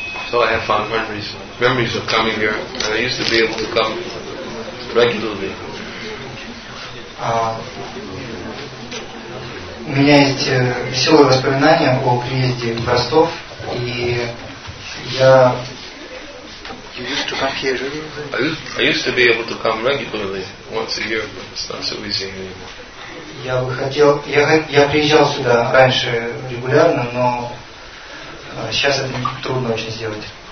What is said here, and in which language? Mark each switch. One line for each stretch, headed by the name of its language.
English: So I have fond memories of coming here, and I used to be able to come regularly.
Russian: У меня есть веселые воспоминания о приезде в Ростов, и я.
English: You used to come here regularly. I used to be able to come regularly once a year, but it's not so easy anymore.
Russian: Я приезжал сюда раньше регулярно, но сейчас это трудно очень сделать.